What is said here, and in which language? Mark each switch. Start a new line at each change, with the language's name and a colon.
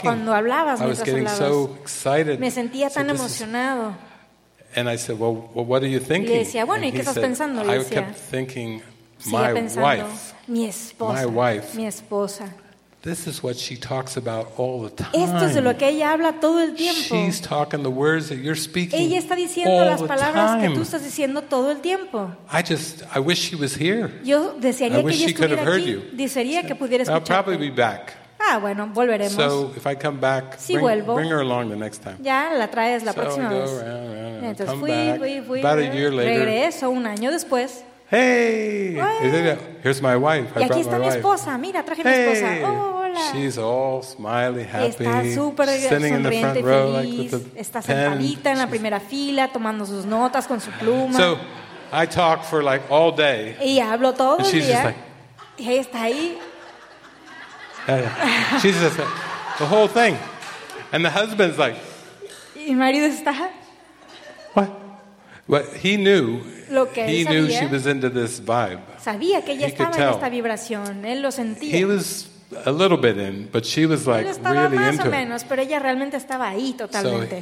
Spanish: cuando hablabas
English: I was getting
Spanish: hablabas.
English: So excited.
Spanish: Me sentía tan
English: so
Spanish: emocionado.
English: And I said, well, what are you thinking?
Spanish: Y decía, bueno,
English: and
Spanish: ¿y qué estás
English: said,
Spanish: pensando?
English: I kept thinking, my
Spanish: pensando,
English: wife,
Spanish: mi esposa,
English: my wife,
Spanish: mi esposa.
English: This is what she talks about all the time.
Spanish: Esto es de lo que ella habla todo el tiempo.
English: She's talking the words that you're speaking
Spanish: ella está diciendo
English: all
Spanish: las palabras que tú estás diciendo todo el tiempo.
English: I wish she was here.
Spanish: Yo desearía
English: I wish
Spanish: que
English: she could have heard
Spanish: aquí.
English: You.
Spanish: Desearía
English: so,
Spanish: que pudiera escucharte.
English: I'll probably be back.
Spanish: Ah, bueno, volveremos.
English: So if I come back,
Spanish: si
English: bring,
Spanish: vuelvo,
English: bring her along the next time.
Spanish: Ya la traes la
English: so
Spanish: próxima
English: go
Spanish: vez.
English: Around, around,
Spanish: Entonces
English: come
Spanish: fui,
English: back.
Spanish: Fui, fui.
English: About a year later,
Spanish: regreso un año después.
English: Hey! Here's my wife.
Spanish: Y aquí está mi esposa. Mira, traje mi esposa. Oh, hola.
English: She's all smiley, happy.
Spanish: Está súper sonriente, feliz. Está sentadita en la primera fila, tomando sus notas con su pluma.
English: So, I talk for like all day.
Spanish: Y hablo todo el día.
English: She's just like,
Spanish: y ella está ahí.
English: She's just like, the whole thing. And the husband's like,
Spanish: ¿y mi marido está?
English: What? He knew. He knew she was into this vibe.
Spanish: Sabía que ella estaba en esta vibración. Él lo sentía.
English: He was a little bit in, but she was like really into it.
Spanish: Más o menos, pero ella realmente estaba ahí totalmente.